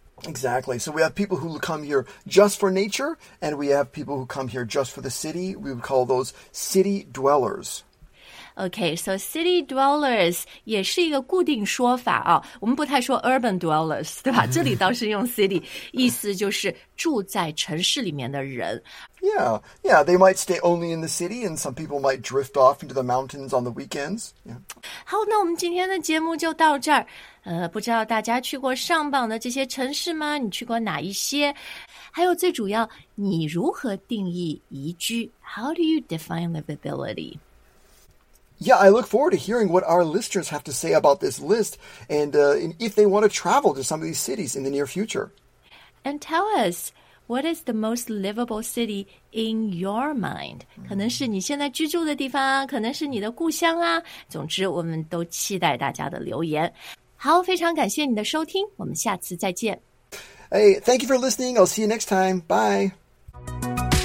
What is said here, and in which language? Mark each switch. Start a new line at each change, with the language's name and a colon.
English: Exactly. So we have people who come here just for nature, and we have people who come here just for the city. We would call those city dwellers.
Chinese: Okay, so
English: city dwellers
Chinese: 也是一个固定说法啊。我们不太说
English: urban dwellers,
Chinese: 对吧？这里倒是用 city, 意思就是住在城市里面的人。
English: Yeah, they might stay only in the city, and some people might drift off into the mountains on the weekends. Yeah.
Chinese: 好，那我们今天的节目就到这儿。不知道大家去过上榜的这些城市吗？你去过哪一些？还有最主要，你如何定义宜居？
English: How do you define livability? Yeah, I look forward to hearing what our listeners have to say about this list and if they want to travel to some of these cities in the near future. And tell us, what is the most livable city in your mind?
Chinese: 可能是你现在居住的地方，可能是你的故乡啊。总之，我们都期待大家的留言。好，非常感谢你的收听，我们下次再见。
English: Hey, thank you for listening. I'll see you next time. Bye.